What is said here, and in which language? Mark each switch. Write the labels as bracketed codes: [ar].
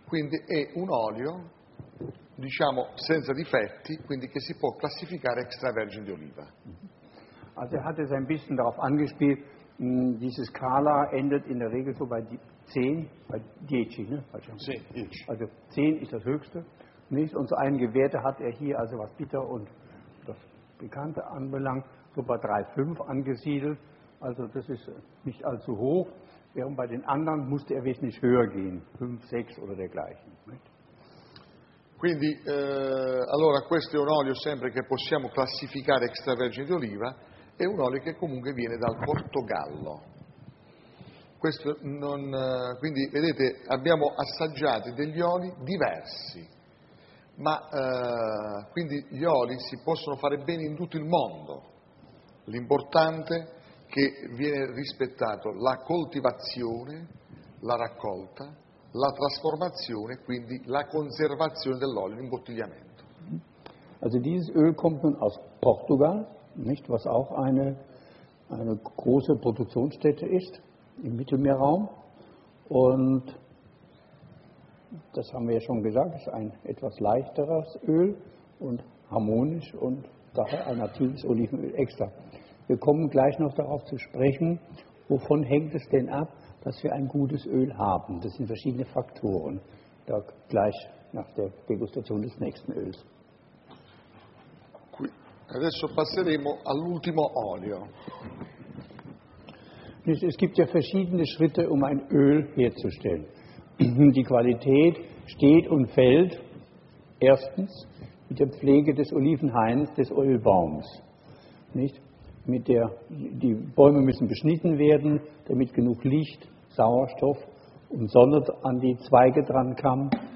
[it] Quindi è un olio, diciamo, senza difetti, quindi che si può classificare extravergine di oliva. [de] Also er hat es ein bisschen darauf angespielt, diese Skala endet in der Regel so bei 10, bei 10, ne? Also 10 ist das höchste, nicht? Und so einen Gewerte hat er hier, also was bitter und das Bekannte anbelangt, so bei 3,5 angesiedelt. Also das ist nicht allzu hoch. Während bei den anderen musste er wesentlich höher gehen, 5, 6 oder dergleichen. [it] Quindi, allora, questo è un olio sempre che possiamo classificare extravergine di oliva, è un olio che comunque viene dal Portogallo. Questo non, quindi, vedete, abbiamo assaggiato degli oli diversi, ma quindi gli oli si possono fare bene in tutto il mondo. L'importante che viene rispettato la coltivazione, la raccolta, la trasformazione, quindi la conservazione dell'olio, l'imbottigliamento. [de] Also dieses Öl kommt nun aus Portugal, nicht, was auch eine große Produktionsstätte ist im Mittelmeerraum, und das haben wir ja schon gesagt, ist ein etwas leichteres Öl und harmonisch und daher ein natives Olivenöl extra. Wir kommen gleich noch darauf zu sprechen, wovon hängt es denn ab, dass wir ein gutes Öl haben. Das sind verschiedene Faktoren, da gleich nach der Degustation des nächsten Öls. [it] Adesso passeremo all'ultimo olio. [de] Es gibt ja verschiedene Schritte, um ein Öl herzustellen. Die Qualität steht und fällt erstens mit der Pflege des Olivenhains, des Ölbaums, nicht? Mit der, die Bäume müssen beschnitten werden, damit genug Licht, Sauerstoff und Sonne an die Zweige dran kam.